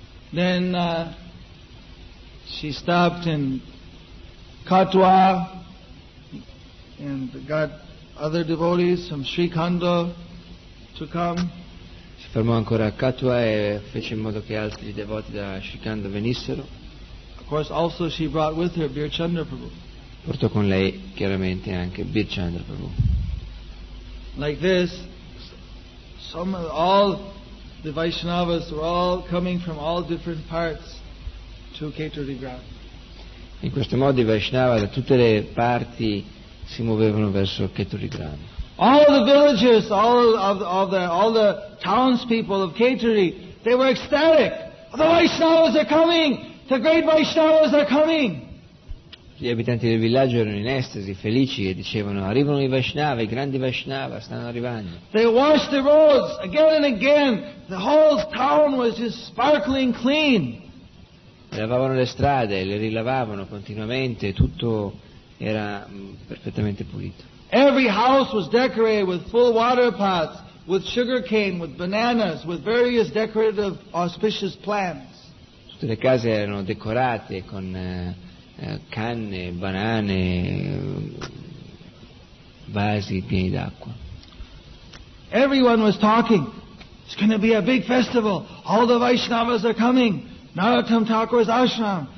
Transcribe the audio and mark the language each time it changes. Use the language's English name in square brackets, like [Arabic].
[English] Then she stopped in Katwa and got other devotees from Srikhanda to come. [Italian] Si fermò ancora a Katwa e fece in modo che altri devoti da Srikhanda venissero. [English] Of course, also she brought with her Birchandra Prabhu. [Italian] Portò con lei chiaramente anche Birchandra Prabhu. [English] Like this, all the Vaishnavas were all coming from all different parts to Keturi Gram. [Italian] In questo modo i Vaishnava da tutte le parti si muovevano verso Keturi Gram. [English] All the villagers, all the townspeople of Keturi, they were ecstatic. The Vaishnavas are coming. The great Vaishnavas are coming. [Italian] Gli abitanti del villaggio erano in estasi, felici, e dicevano: arrivano i Vaishnava, i grandi Vaishnava stanno arrivando. [English] They washed the roads again and again. The whole town was just sparkling clean. [Italian] Lavavano le strade, le rilavavano continuamente, tutto era perfettamente pulito. [English] Every house was decorated with full water pots, with sugar cane, with bananas, with various decorative auspicious plants. [Italian] Tutte le case erano decorate con canne, banane, vasi pieni d'acqua. [English] Everyone was talking. It's going to be a big festival. All the Vaishnavas are coming. Narottam Thakur's ashram.